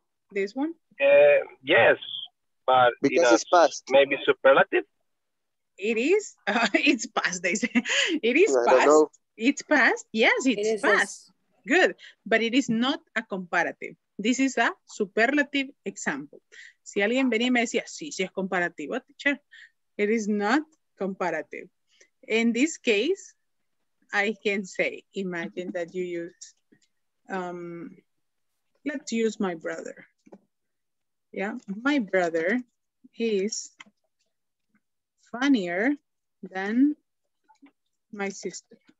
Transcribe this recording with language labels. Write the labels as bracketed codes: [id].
[en] This one? Yes, but because it's past. Maybe superlative? It is, it's past, they say. It is past, it's past, yes, it's past, good. But it is not a comparative. This is a superlative example. [es] Si alguien venía y me decía, sí, sí es comparativo, teacher. [en] It is not comparative. In this case, I can say, imagine that you use, let's use my brother. Yeah, my brother is funnier than my sister.